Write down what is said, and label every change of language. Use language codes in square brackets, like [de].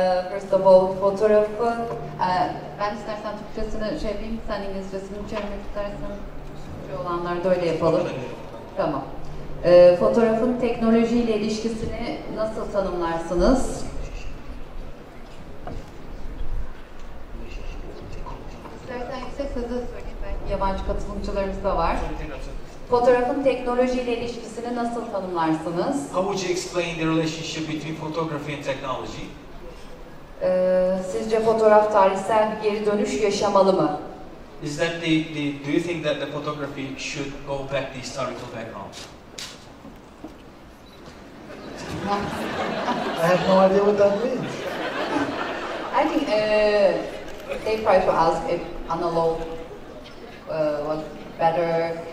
[en] First of all, [tr] fotoğrafı, ben istersen Türkçesine şey yapayım, sen İngilizcesini çevirmek istersen, şu olanlar da öyle yapalım. Tamam. Fotoğrafın teknolojiyle ilişkisini nasıl tanımlarsınız? İstersen yüksek sesle söyleyeyim, belki yabancı katılımcılarımız da var. Fotoğrafın teknolojiyle ilişkisini nasıl tanımlarsınız? [en] How would you explain the relationship between photography and technology? [tr] Sizce fotoğraf tarihsel bir geri dönüş yaşamalı mı? [en] Is that the do you think that the photography should go back the historical background? I have no idea what that means. I think they try to ask if analog was better.